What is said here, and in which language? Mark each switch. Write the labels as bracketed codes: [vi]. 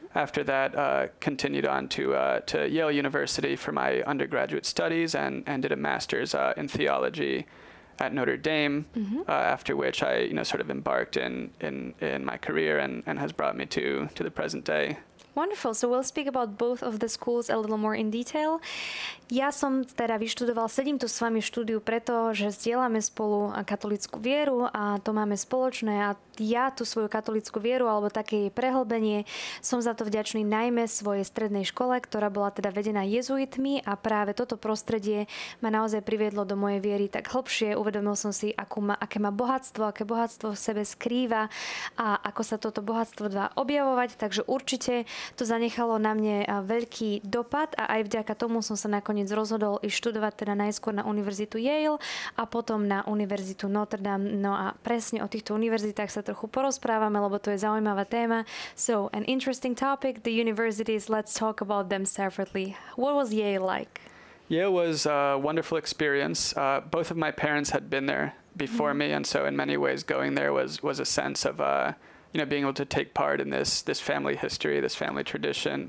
[en] After that, continued on to Yale University for my undergraduate studies and did a master's in theology at Notre Dame, mm-hmm. After which I, sort of embarked in my career and has brought me to the present day. Wonderful. So we'll speak about both of the schools a little more in detail. [sk] Ja som teda vyštudoval, sedím tu s vami v štúdiu preto, že zdieľame spolu katolickú vieru a to máme spoločné a ja tú svoju katolickú vieru alebo také jej prehlbenie som za to vďačný najmä svojej strednej škole, ktorá bola teda vedená jezuitmi a práve toto prostredie ma naozaj priviedlo do mojej viery tak hlbšie. Uvedomil som si, aké má bohatstvo, aké bohatstvo v sebe skrýva a ako sa toto bohatstvo dá objavovať, takže určite to zanechalo na mne veľký dopad a aj vďaka tomu som sa nakoniec rozhodol i študovať teda najskôr na Univerzitu Yale a potom na Univerzitu Notre Dame. No a presne o týchto univerzitách sa trochu porozprávame, lebo to je zaujímavá téma. [en] So, an interesting topic, the universities, let's talk about them separately. What was Yale like? Yale was a wonderful experience. Both of my parents had been there before me, and so in many ways going there was a sense of you know, being able to take part in this family history, this family tradition.